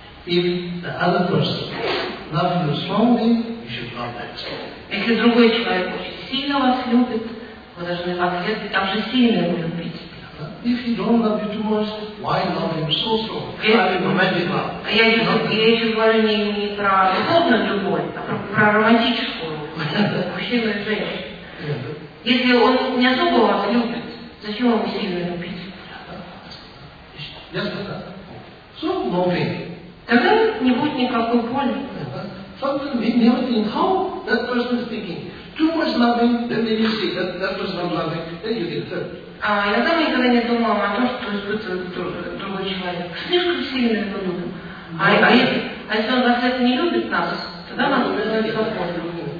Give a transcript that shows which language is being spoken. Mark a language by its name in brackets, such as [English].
[English] If the other person loves you strongly, you should love that song. [Russian] Если другой человек очень сильно вас любит, вы должны в ответ также сильно его любить. [English] If he don't love you too much, why love him so strongly? [Russian] Я еще говорю не про духовную любовь, а про романтическую мужчину и женщину. Если он не особо вас любит, зачем вам сильно любить? [English] Yes, but that. So, no pain. [Russian] Тогда не будет никакой боли. [English] Sometimes we never think how that person is thinking. Too much loving, then you see that that person is loving, then you get hurt. [Russian] А иногда мы никогда не думаем о том, что испытывает другой человек. Слишком сильно это любим. А если он вас не любит нас, тогда нам нужно быть свободным.